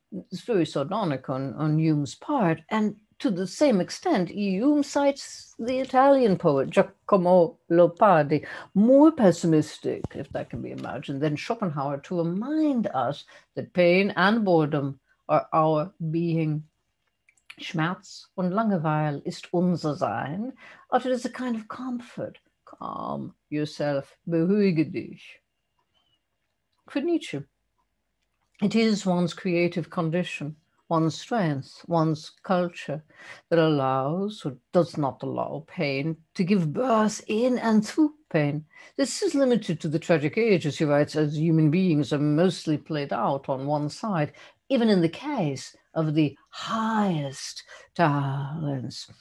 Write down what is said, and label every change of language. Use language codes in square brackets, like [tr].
[en] It's very sardonic on Hume's part. And to the same extent, Hume cites the Italian poet Giacomo Leopardi, more pessimistic, if that can be imagined, than Schopenhauer, to remind us that pain and boredom are our being. [de] Schmerz und Langeweile ist unser Sein, [en] uttered as a kind of comfort. Calm yourself, [de] beruhige dich. [en] For Nietzsche, it is one's creative condition, one's strength, one's culture that allows or does not allow pain to give birth in and through pain. This is limited to the tragic ages, he writes, as human beings are mostly played out on one side, even in the case of the highest talents.